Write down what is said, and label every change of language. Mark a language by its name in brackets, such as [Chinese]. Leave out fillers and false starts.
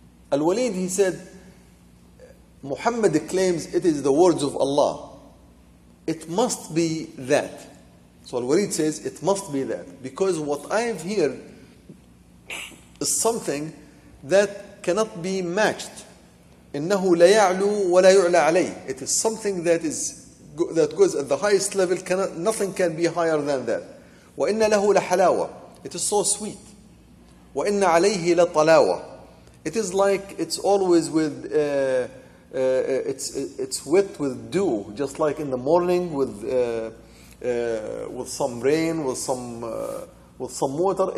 [English] Al-Walid, he said, Muhammad claims it is the words of Allah. It must be that. So Al-Walid says, it must be that. Because what I've heard is something that cannot be matched. [Arabic] إنه لا يعلو ولا يعلى عليه. [English] It is something that is that goes at the highest level. Cannot, nothing can be higher than that. [Arabic] وإن له لحلاوة. [English] It is so sweet. [Arabic] وإن عليه لطلاوة. [English] It is like it's always with it's wet with dew, just like in the morning with some rain, with some water.